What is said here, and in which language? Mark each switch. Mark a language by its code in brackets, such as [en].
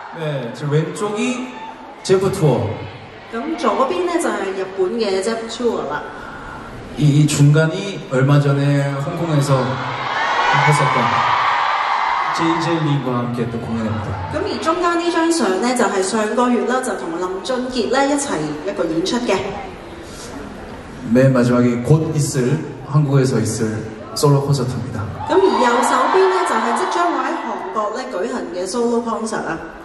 [ko] 네, 지금 왼쪽이 제프 투어 [yue] 咁左邊咧就係日本嘅Jeff Tour啦。 [ko] 이 중간이 얼마 전에 홍콩에서 했었던 JJ Lee와 함께 또 공연했다。 [yue] 咁而中間呢張相咧就係上個月啦，就同林俊傑咧一齊一個演出嘅。 [ko] 맨 마지막에 곧 있을 한국에서 있을 솔로 콘서트입니다。 [yue] 咁而右手邊咧就係即將會喺韓國咧舉行嘅 solo concert